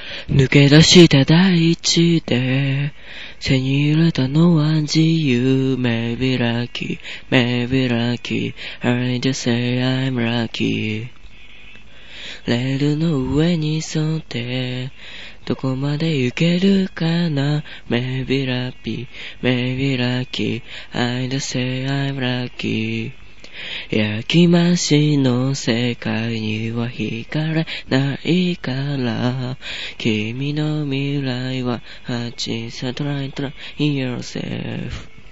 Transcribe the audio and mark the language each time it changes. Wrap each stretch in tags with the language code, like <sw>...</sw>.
<ja>抜け出した大地で背に揺れたのは自由。</ja> <en>Maybe lucky, maybe lucky, I just say I'm lucky。</en> <ja>レールの上に沿ってどこまで行けるかな。</ja> <en>Maybe lucky, maybe lucky, I just say I'm lucky。</en> <ja>焼き増しの世界には惹かれないから、君の未来は8サトライトライン yourself。</ja>